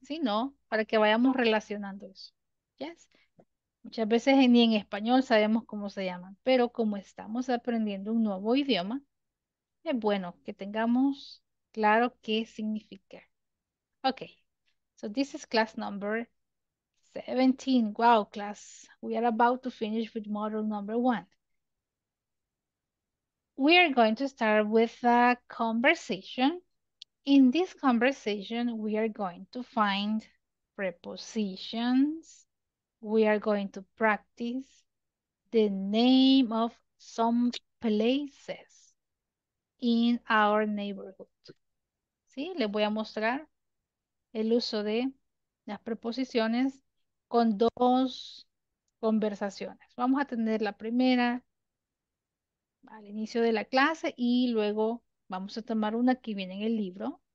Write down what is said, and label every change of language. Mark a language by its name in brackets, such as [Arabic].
[Spanish] Sino para que vayamos relacionando eso. Yes. Muchas veces ni en español sabemos cómo se llaman, pero como estamos aprendiendo un nuevo idioma, es bueno que tengamos claro qué significa. [English] Ok, so this is class number 17. Wow, class, we are about to finish with module number one. We are going to start with a conversation. In this conversation, we are going to find prepositions. We are going to practice the name of some places in our neighborhood. [Spanish] ¿Sí? Les voy a mostrar el uso de las preposiciones con dos conversaciones. Vamos a tener la primera al inicio de la clase y luego vamos a tomar una que viene en el libro.